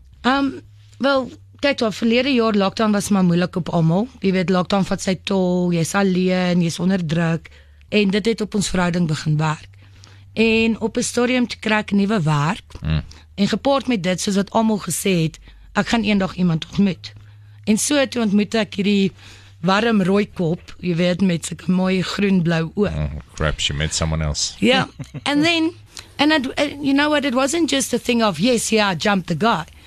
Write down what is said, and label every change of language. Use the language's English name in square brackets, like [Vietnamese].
[Afrikaans] Wel, kyk toe, verlede jaar lockdown was maar moeilik op allemaal. Jy weet, lockdown vat sy tol, jy is alleen, jy is onder druk. En dit het op ons verhouding begin werk. En op een stadium te kry ek nuwe werk. En gepaard met dit, soos wat allemaal gesê het, ek gaan eendag iemand ontmoet. En so toe ontmoet ek hierdie warm rooi kop, jy weet, met sy mooie groen-blauw oog. [English] Crap, she met someone else. Yeah, and then... And you know what, it wasn't just a thing of, yes, yeah, I jumped the guy.